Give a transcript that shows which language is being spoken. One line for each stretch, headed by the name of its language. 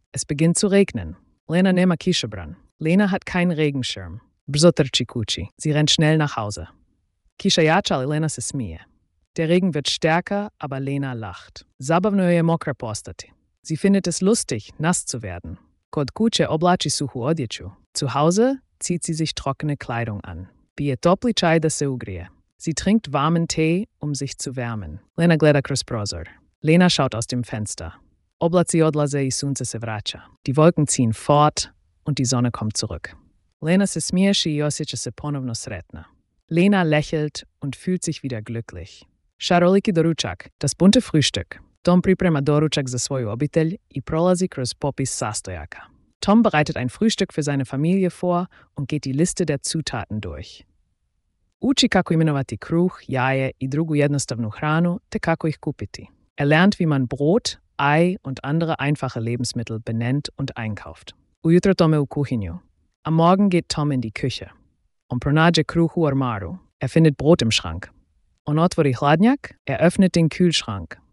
German: Es beginnt zu regnen.
Croatian: Lena nema kišobran.
German: Lena hat keinen Regenschirm.
Croatian: Brzo trči kući.
German: Sie rennt schnell nach Hause.
Croatian: Kiša jača, ali Lena se smije.
German: Der Regen wird stärker, aber Lena lacht.
Croatian: Zabavno je mokra postati.
German: Sie findet es lustig, nass zu werden.
Croatian: Kod kuće oblači suhu odjeću.
German: Zu Hause zieht sie sich trockene Kleidung an.
Croatian: Pije topli čaj da se ugrije.
German: Sie trinkt warmen Tee, um sich zu wärmen.
Croatian: Lena gleda kroz prozor.
German: Lena schaut aus dem Fenster.
Croatian: Oblaci odlaze i sunce se vraća.
German: Die Wolken ziehen fort und die Sonne kommt zurück.
Croatian: Lena se smije i osjeća se ponovno sretna.
German: Lena lächelt und fühlt sich wieder glücklich.
Croatian: Šaroliki doručak,
German: das bunte Frühstück.
Croatian: Tom priprema doručak za svoju obitelj i prolazi kroz popis sastojaka.
German: Tom bereitet ein Frühstück für seine Familie vor und geht die Liste der Zutaten durch.
Croatian: Uči kako imenovati kruh, jaje i drugu jednostavnu hranu, te kako ih kupiti.
German: Er lernt, wie man Brot, Ei und andere einfache Lebensmittel benennt und einkauft.
Croatian: Ujutro Tome u kuhinju.
German: Am Morgen geht Tom in die Küche.
Croatian: On pronađe kruh u ormaru.
German: Er findet Brot im Schrank.
Croatian: On otvori hladnjak.
German: Er öffnet den Kühlschrank.